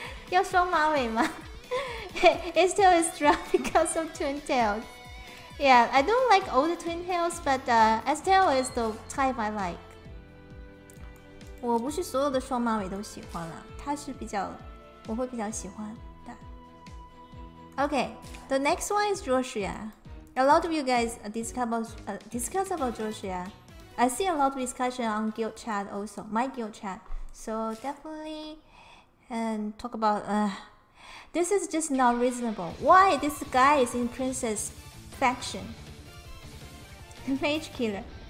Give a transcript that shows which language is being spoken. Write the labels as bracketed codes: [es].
[zh] 要双马尾吗？ [en] It still is strong because of twin tails. Yeah, I don't like all the twin tails, but Estelle is the type I like. [zh] 我不是所有的双马尾都喜欢了，他是比较，我会比较喜欢的。 [en] Okay, the next one is Joshua. A lot of you guys discuss about Joshua. I see a lot of discussion on guild chat also, my guild chat. So definitely, and talk about, this is just not reasonable. Why this guy is in princess faction? Mage killer.